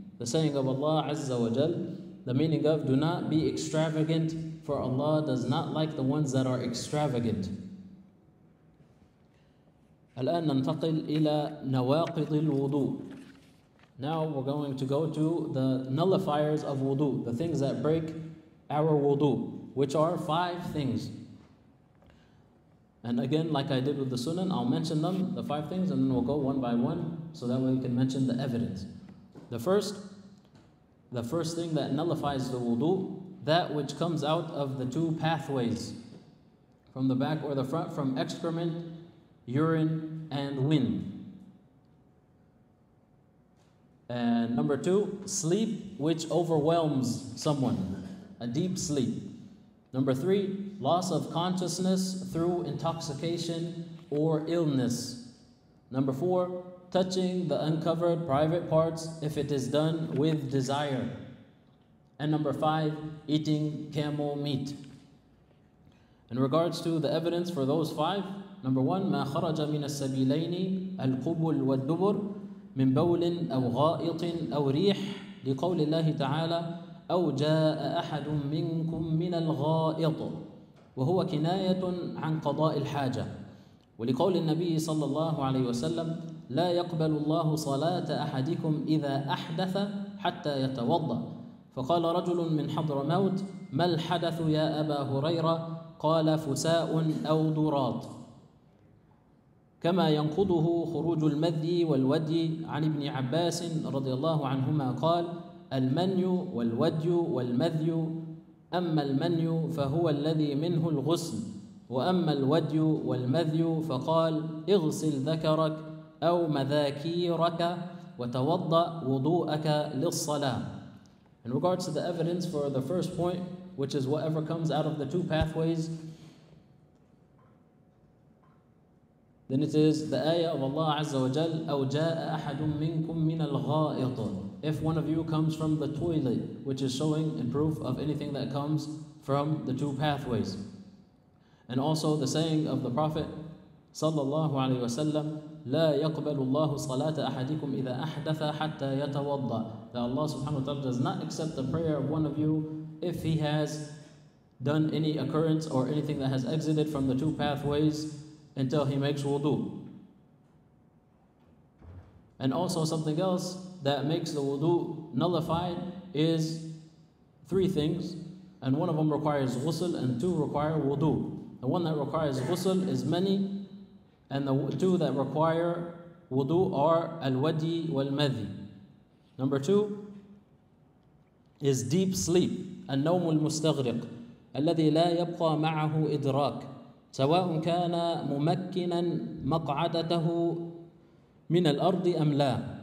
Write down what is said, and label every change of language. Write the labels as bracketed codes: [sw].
[en] The saying of Allah Azza wa Jal, the meaning of, do not be extravagant, for Allah does not like the ones that are extravagant. [ar] الآن ننتقل إلى نواقض الوضوء. [en] Now we're going to go to the nullifiers of wudu, the things that break our wudu, which are 5 things. And again, like I did with the sunan, I'll mention them, the 5 things, and then we'll go one by one, so that way we can mention the evidence. The first thing that nullifies the wudu, that which comes out of the 2 pathways, from the back or the front, from excrement, urine, and wind. And number 2, sleep which overwhelms someone, a deep sleep. Number 3, loss of consciousness through intoxication or illness. Number 4, touching the uncovered private parts if it is done with desire. And number 5, eating camel meat. In regards to the evidence for those 5, number 1, [ar] ما خرج من السبيلين القبل والدبر من بول أو غائط أو ريح، لقول الله تعالى: أو جاء أحد منكم من الغائط، وهو كناية عن قضاء الحاجة. ولقول النبي صلى الله عليه وسلم: لا يقبل الله صلاة أحدكم إذا أحدث حتى يتوضأ. فقال رجل من حضرموت: ما الحدث يا أبا هريرة؟ قال: فساء أو دراط، كما ينقضه خروج المذي والودي. عن ابن عباس رضي الله عنهما قال: المني والودي والمذي، أما المني فهو الذي منه الغسل، وأما الودي والمذي فقال: اغسل ذكرك أو مذاكيرك وتوضأ وضوءك للصلاة. [en] In regards to the evidence for the first point, which is whatever comes out of the two pathways, then it is the ayah of Allah Azza wa Jal, [ar] أَوْ جَاءَ أَحَدٌ مِّنْكُمْ مِّنَ الْغَائِطُ. [en] If one of you comes from the toilet, which is showing a proof of anything that comes from the two pathways. And also the saying of the Prophet صلى الله عليه وسلم: [ar] لا يقبل الله صلاة أحدكم إذا أحدث حتى يتوضأ. [en] That Allah subhanahu wa ta'ala does not accept the prayer of one of you if he has done any occurrence or anything that has exited from the two pathways until he makes wudu. And also something else that makes the wudu nullified is three things, and one of them requires ghusl and two require wudu. The one that requires ghusl is many, and the two that require wudu are al-wadi wal-madhi. Number two is deep sleep, [ar] النوم المستغرق الذي لا يبقى معه إدراك، سواء كان ممكنا مقعدته من الأرض أم لا.